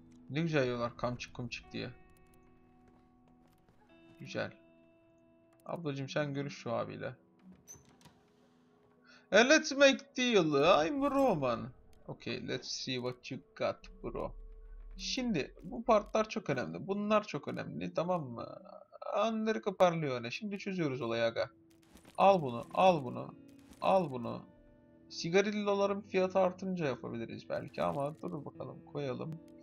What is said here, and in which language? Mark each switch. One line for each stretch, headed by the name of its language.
Turkish: Ne güzel yiyorlar kamçık kumçık diye. Güzel. Ablacım sen görüş şu abiyle.
English: And let's make deal. I'm Roman. Okay, let's see what you got bro.
Turkish: Şimdi bu partlar çok önemli. Bunlar çok önemli, tamam mı? Anları koparlıyor öyle. Şimdi çözüyoruz olayı aga. Al bunu, al bunu, al bunu. Sigarilloların fiyatı artınca yapabiliriz belki ama dur bakalım, koyalım.